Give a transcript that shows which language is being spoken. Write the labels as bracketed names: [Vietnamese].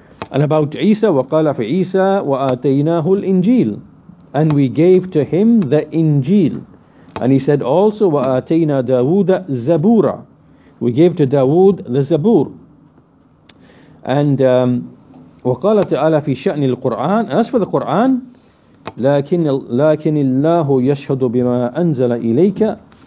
[English] And about Isa, [Arabic] وَقَالَ فِي عِيسَى وَآتَيْنَاهُ الْإِنْجِيلِ. [English] And we gave to him the Injil. And he said also, [Arabic] وَآتَيْنَا دَاوُودَ زَبُورًا. [English] We gave to Dawood the Zabur. [Arabic] And وَقَالَ تَعَالَى فِي شَأْنِ الْقُرْآنِ. [English] And as for the Qur'an, [Arabic] لَكِنِ اللَّهُ يَشْهَدُ بِمَا أَنزَلَ إِلَيْكَ